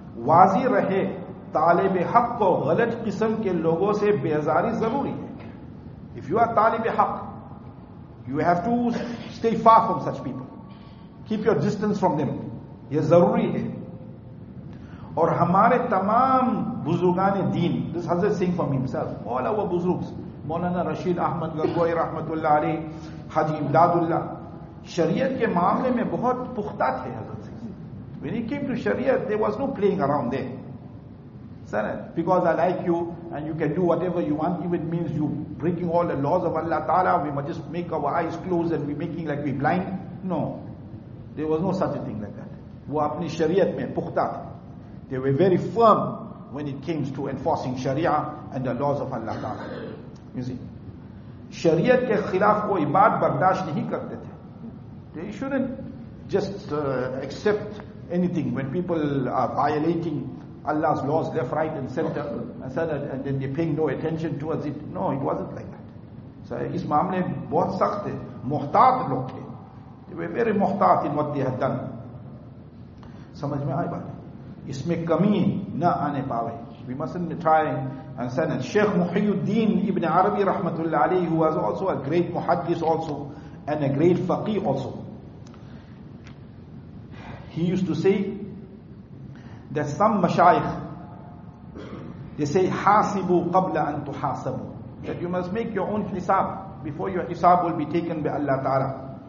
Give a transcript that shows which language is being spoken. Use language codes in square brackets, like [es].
[ur] واضح رہے طالب حق و غلط قسم کے لوگوں سے بیزاری ضروری ہے. [en] If you are طالب حق, you have to stay far from such people. Keep your distance from them. [ur] یہ ضروری ہے. اور ہمارے تمام بزرگان دین, [en] this Hazrat saying from himself, all our [ur] بزرگs, مولانا رشید احمد گنگوئی رحمت اللہ علیہ, حاجی امداد اللہ, شریعت کے معاملے میں بہت پختہ تھے حضرت سے. [en] When he came to شریعت, there was no playing around there. Sir, because I like you and you can do whatever you want, if it means you breaking all the laws of Allah Ta'ala, we must just make our eyes closed and we making like we blind. No, there was no such a thing like that. [ur] وہ اپنی شریعت میں پختہ تھے. [en] They were very firm when it came to enforcing Sharia and the laws of Allah Ta'ala. You see, [ur] شریعت کے خلاف کوئی بات برداشت نہیں کرتے تھے. [en] They shouldn't just accept anything when people are violating Allah's laws left, right and center, and then they're paying no attention towards it. No, it wasn't like that. [ur] So اس معاملے بہت سخت تھے, محتاط لوگ تھے. [en] They were very محتاط in what they had done. [ur] سمجھ میں آئے بات, اس میں کمی نہ آنے پاوے. [en] We mustn't try and send it. Sheikh Muhyiddin Ibn Arabi Rahmatullah Alayhi, who was also a great muhaddis also and a great faqih also, he used to say that some mashayikh, they say [ar] حاسبوا قبل أن تحاسبوا, [en] that you must make your own hisab before your hisab will be taken by Allah Ta'ala.